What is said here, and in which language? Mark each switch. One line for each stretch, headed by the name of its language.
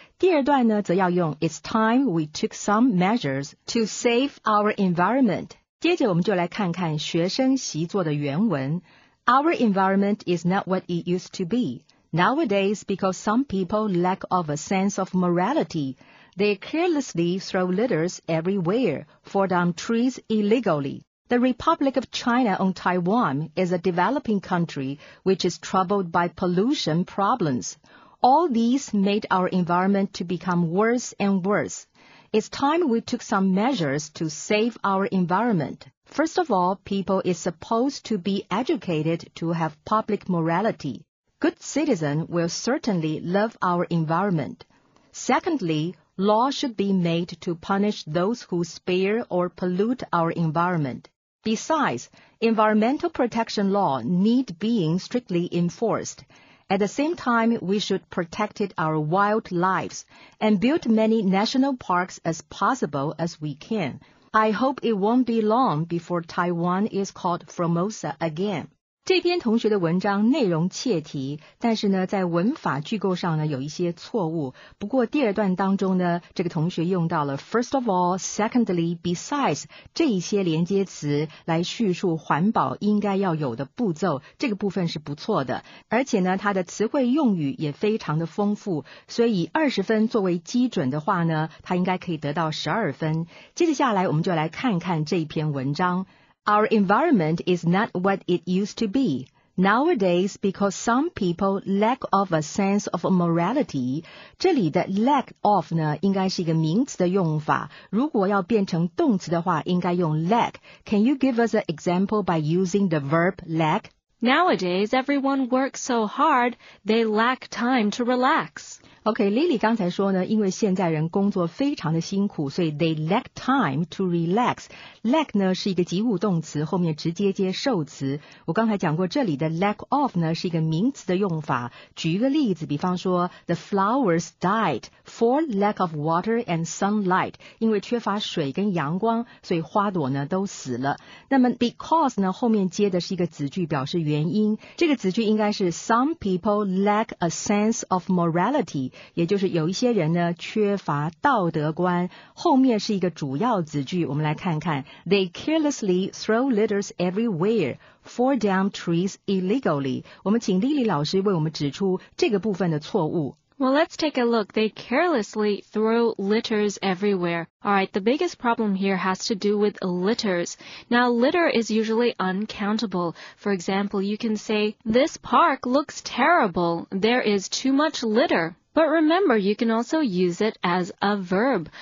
Chinese: 第二段呢，则要用
English: It's time we took some measures to save our environment。
Chinese: 接着我们就来看看学生习作的原文。
English: Our environment is not what it used to be. Nowadays, because some people lack of a sense of morality, they carelessly throw litters everywhere, fall down trees illegally. The Republic of China on Taiwan is a developing country which is troubled by pollution problems. All these made our environment to become worse and worse. It's time we took some measures to save our environment. First of all, people is supposed to be educated to have public morality. Good citizens will certainly love our environment. Secondly, law should be made to punish those who spare or pollute our environment. Besides, environmental protection law need being strictly enforced. At the same time, we should protect our wild lives and build many national parks as possible as we can. I hope it won't be long before Taiwan is called Formosa again.
Chinese: 这篇同学的文章内容切题，但是呢，在文法句构上呢有一些错误。不过第二段当中呢，这个同学用到了 first of all, secondly, besides 这一些连接词来叙述环保应该要有的步骤，这个部分是不错的。而且呢，它的词汇用语也非常的丰富，所以以20分作为基准的话呢，它应该可以得到12分。接着下来，我们就来看看这一篇文章。
English: Our environment is not what it used to be. Nowadays, because some people lack of a sense of morality,
Chinese: 这里的 lack of 呢，应该是一个名词的用法。如果要变成动词的话，应该用 lack.
English: Can you give us an example by using the verb lack? Nowadays, everyone works so hard, they lack time to relax.
Chinese: Okay, Lily 刚才说呢，因为现在人工作非常的辛苦，所以
English: they lack time to relax.
Chinese: Lack 呢是一个及物动词，后面直接接受词。我刚才讲过，这里的 lack of 呢是一个名词的用法。举一个例子，比方说
English: the flowers died for lack of water and sunlight.
Chinese: 因为缺乏水跟阳光，所以花朵呢都死了。那么 because 呢后面接的是一个子句，表示原因。这个子句应该是
English: some people lack a sense of morality.
Chinese: 也就是有一些人呢缺乏道德观，后面是一个主要子句，我们来看看
English: They carelessly throw litters everywhere, fall down trees illegally.
Chinese: 我们请 Lily 老师为我们指出这个部分的错误。
English: Well, let's take a look. They carelessly throw litters everywhere. All right, the biggest problem here has to do with litters. Now, litter is usually uncountable. For example, you can say, This park looks terrible. There is too much litter. But remember, you can also use it as a verb.